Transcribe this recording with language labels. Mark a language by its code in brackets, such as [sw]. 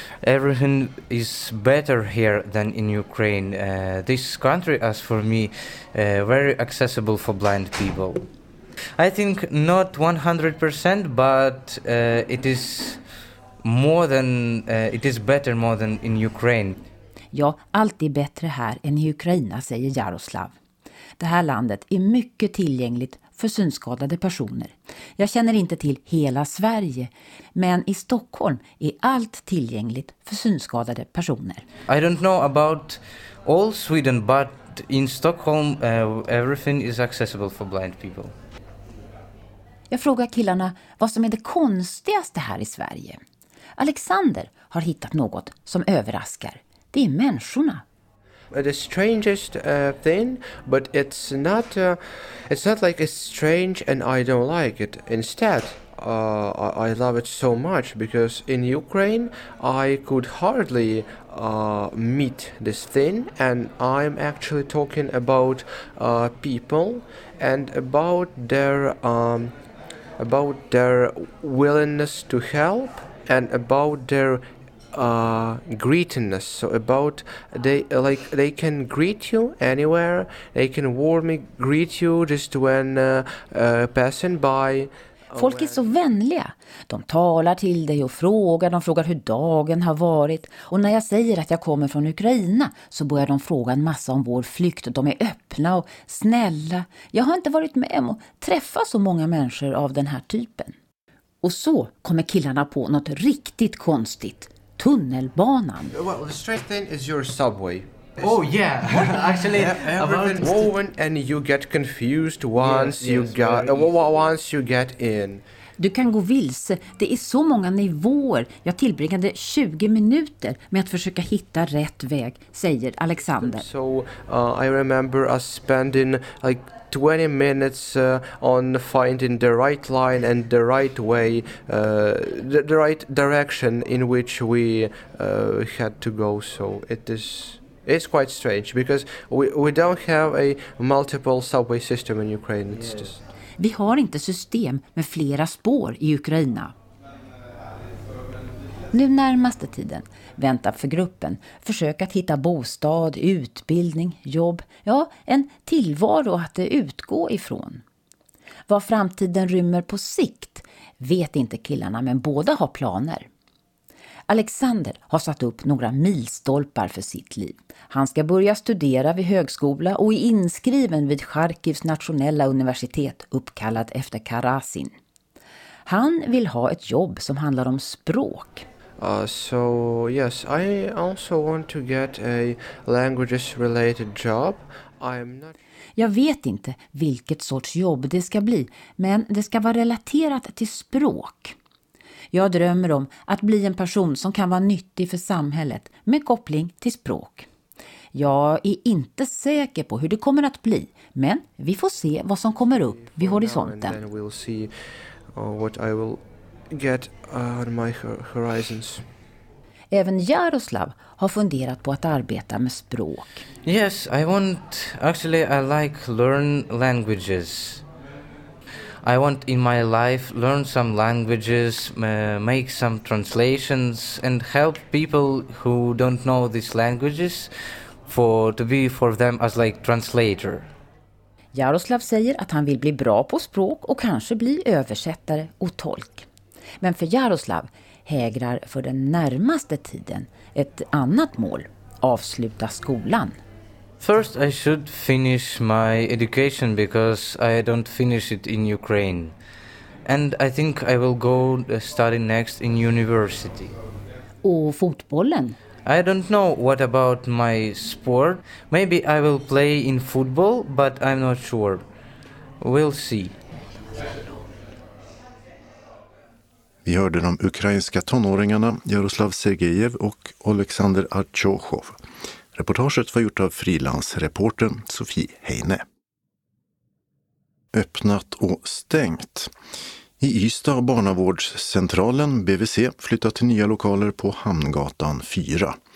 [en] Everything is better here than in Ukraine. This country, as for me, very accessible for blind people. I think not 100%, but it is more than it is better more than in Ukraine. [sv] Ja, allt är bättre här än i Ukraina, säger Jaroslav. Det här landet är mycket tillgängligt för synskadade personer. Jag känner inte till hela Sverige, men i Stockholm är allt tillgängligt för synskadade personer. I don't know about all Sweden, but in Stockholm everything is accessible for blind people. Jag frågar killarna vad som är det konstigaste här i Sverige. Alexander har hittat något som överraskar. Det är människorna. [en] The strangest thing, but it's not like it's strange and I don't like it. Instead, I love it so much because in Ukraine I could hardly meet this thing, and I'm actually talking about people and about their willingness to help and about their greetingness. So about they can greet you anywhere, they can warmly greet you just when passing by. [sv] Folk är så vänliga. De talar till dig och frågar hur dagen har varit. Och när jag säger att jag kommer från Ukraina så börjar de fråga en massa om vår flykt. De är öppna och snälla. Jag har inte varit med om att träffa så många människor av den här typen. Och så kommer killarna på något riktigt konstigt. Tunnelbanan. [en] Well, the strange thing is your subway. Oh yeah, actually, everything woven, and you get confused once you get in. [sv] Du kan gå vilse. Det är så många nivåer. Jag tillbringade 20 minuter med att försöka hitta rätt väg, säger Alexander. [en] So I remember us spending like 20 minutes on finding the right line and the right way, the right direction in which we had to go. So it's quite strange because we don't have a multiple subway system in Ukraine. It's just... [sv] Vi har inte system med flera spår i Ukraina. Nu närmaste tiden väntar för gruppen försök att hitta bostad, utbildning, jobb. Ja, en tillvaro att utgå ifrån. Vad framtiden rymmer på sikt vet inte killarna, men båda har planer. Alexander har satt upp några milstolpar för sitt liv. Han ska börja studera vid högskola och är inskriven vid Charkivs nationella universitet, uppkallad efter Karasin. Han vill ha ett jobb som handlar om språk. [en] So yes, I also want to get a languages related job. I'm not... [sv] Jag vet inte vilket sorts jobb det ska bli, men det ska vara relaterat till språk. Jag drömmer om att bli en person som kan vara nyttig för samhället med koppling till språk. Jag är inte säker på hur det kommer att bli, men vi får se vad som kommer upp vid horisonten. [en] And we'll see what I will get on my horizons. [sv] Även Jaroslav har funderat på att arbeta med språk. [en] Yes, I like learn languages. I want in my life learn some languages, make some translations and help people who don't know these languages for them as like translator. [sv] Jaroslav säger att han vill bli bra på språk och kanske bli översättare och tolk. Men för Jaroslav hägrar för den närmaste tiden ett annat mål, avsluta skolan. [en] First I should finish my education because I don't finish it in Ukraine. And I think I will go study next in university. [sv] Och fotbollen? [en] I don't know what about my sport. Maybe I will play in football, but I'm not sure. We'll see. [sv] Vi hörde de ukrainska tonåringarna Jaroslav Sergejev och Oleksandr Artjoshov. Reportaget var gjort av frilansreportern Sofie Heine. Öppnat och stängt. I Ystad har barnavårdscentralen BVC flyttat till nya lokaler på Hamngatan 4.